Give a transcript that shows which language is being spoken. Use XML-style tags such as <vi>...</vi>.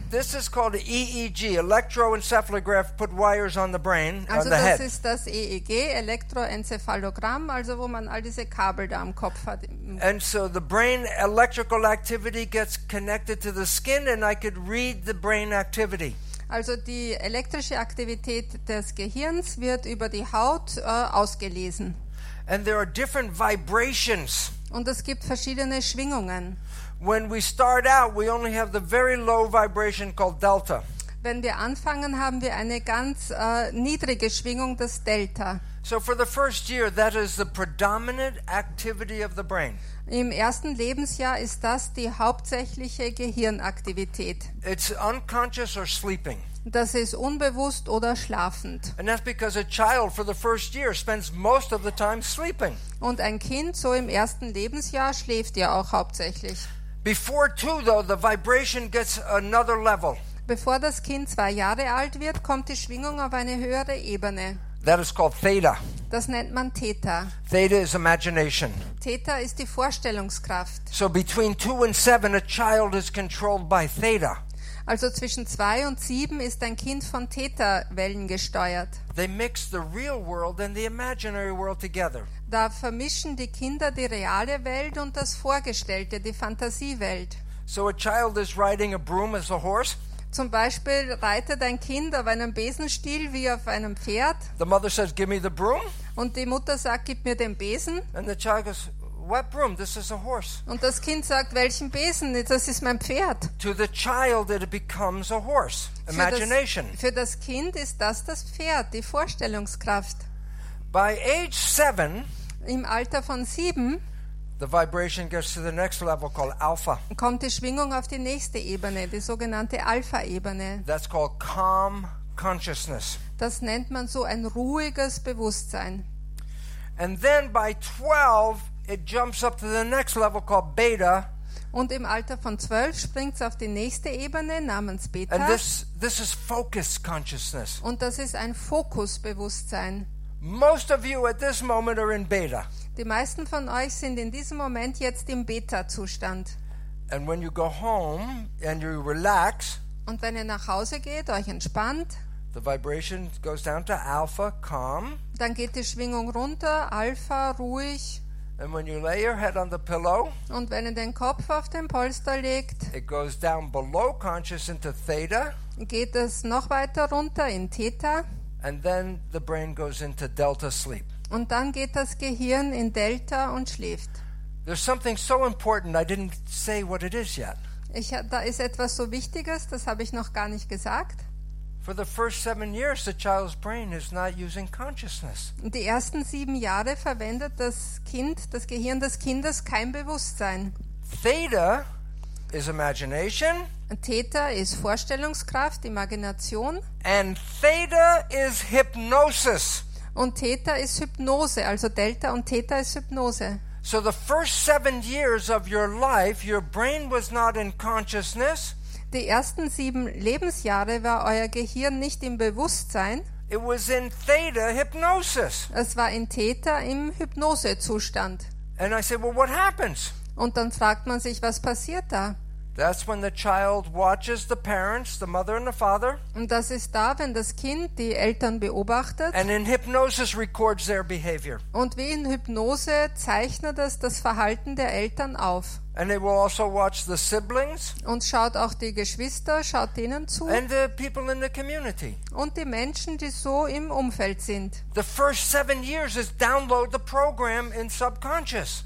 <en>This is called EEG, electroencephalograph, put wires on the brain,</en> <de>also</de> <en>on the head.</en> <de>Also das ist das EEG, Elektroenzephalogramm, also wo man all diese Kabel da am Kopf hat.</de> <en>And so the brain electrical activity gets connected to the skin and I could read the brain activity.</en> <de>Also die elektrische Aktivität des Gehirns wird über die Haut ausgelesen.</de> <en>And there are different vibrations.</en> <de>Und es gibt verschiedene Schwingungen.</de> <en>When we start out, we only have the very low vibration called delta.</en> <de>Wenn wir anfangen, haben wir eine ganz niedrige Schwingung, das Delta.</de> <en>So for the first year, that is the predominant activity of the brain.</en> <de>Im ersten Lebensjahr ist das die hauptsächliche Gehirnaktivität.</de> <en>It's unconscious or sleeping.</en> <de>Das ist unbewusst oder schlafend.</de> <en>And that's because a child for the first year spends most of the time sleeping.</en> <de>Und ein Kind so im ersten Lebensjahr schläft ja auch hauptsächlich.</de> <en>Before two, though, the vibration gets another level.</en> <de>Bevor das Kind 2 Jahre alt wird, kommt die Schwingung auf eine höhere Ebene.</de> <en>That is called theta.</en> <de>Das nennt man Theta.</de> <en>Theta is imagination.</en> <de>Theta ist die Vorstellungskraft.</de> <en>So between 2 and 7, a child is controlled by theta.</en> <de>Also zwischen 2 und 7 ist ein Kind von Theta-Wellen gesteuert.</de> <en>They mix the real world and the imaginary world together.</en> <de>Da vermischen die Kinder die reale Welt und das Vorgestellte, die Fantasiewelt.</de> <en>So a child is riding a broom as a horse.</en> <de>Zum Beispiel reitet ein Kind auf einem Besenstiel wie auf einem Pferd.</de> <en>The mother says, "Give me the broom."</en> <de>Und die Mutter sagt, gib mir den Besen.</de> <en>And the child goes, "What broom? This is a horse."</en> <de>Und das Kind sagt, welchen Besen? Das ist mein Pferd.</de> <en>To the child, it becomes a horse. Imagination.</en> <de>Für das Kind ist das das Pferd, die Vorstellungskraft.</de> <en>By age 7,</en> <de>im Alter von 7,</de> <en>the vibration goes to the next level called alpha.</en> <de>Kommt die Schwingung auf die nächste Ebene, die sogenannte Alpha-Ebene.</de> <en>That's called calm consciousness.</en> <de>Das nennt man so ein ruhiges Bewusstsein.</de> <en>And then by 12, it jumps up to the next level called beta.</en> <de>Und im Alter von 12 springt es auf die nächste Ebene namens Beta.</de> <en>And this is focus consciousness.</en> <de>Und das ist ein Fokusbewusstsein.</de> <en>Most of you at this moment are in beta.</en> <de>Die meisten von euch sind in diesem Moment jetzt im Beta-Zustand.</de> <en>And when you go home and you relax,</en> <de>und wenn ihr nach Hause geht, euch entspannt,</de> <en>the vibration goes down to alpha, calm.</en> <de>Dann geht die Schwingung runter, Alpha, ruhig.</de> <en>And when you lay your head on the pillow,</en> <de>und wenn ihr den Kopf auf den Polster legt,</de> <en>it goes down below conscious into theta,</en> <de>geht es noch weiter runter in Theta,</de> <en>and then the brain goes into delta sleep.</en> <de>Und dann geht das Gehirn in Delta und schläft.</de> <en>There's something so important, I didn't say what it is yet.</en> <de>Da ist etwas so Wichtiges, das habe ich noch gar nicht gesagt.</de> <en>For the first 7 years, the child's brain is not using consciousness.</en> <de>Die ersten 7 Jahre verwendet das Kind, das Gehirn des Kindes, kein Bewusstsein.</de> <en>Theta is imagination.</en> <de>Theta ist Vorstellungskraft, Imagination.</de> <en>And theta is hypnosis.</en> <de>Und Theta ist Hypnose, also Delta und Theta ist Hypnose.</de> <en>So the first 7 years of your life, your brain was not in consciousness.</en> <de>Die ersten 7 Lebensjahre war euer Gehirn nicht im Bewusstsein.</de> <en>It was in theta hypnosis.</en> <de>Es war in Theta im Hypnosezustand.</de> <en>And I said, well, what happens?</en> <de>Und dann fragt man sich, was passiert da?</de> <en>That's when the child watches the parents, the mother and the father.</en> <de>Und das ist da, wenn das Kind die Eltern beobachtet.</de> <en>And in hypnosis records their behavior.</en> <de>Und wie in Hypnose zeichnet es das Verhalten der Eltern auf.</de> <en>And they will also watch the siblings.</en> <de>Und schaut auch die Geschwister, schaut denen zu.</de> <en>And the people in the community.</en> <de>Und die Menschen, die so im Umfeld sind.</de> <en>The first 7 years is download the program in subconscious.</en>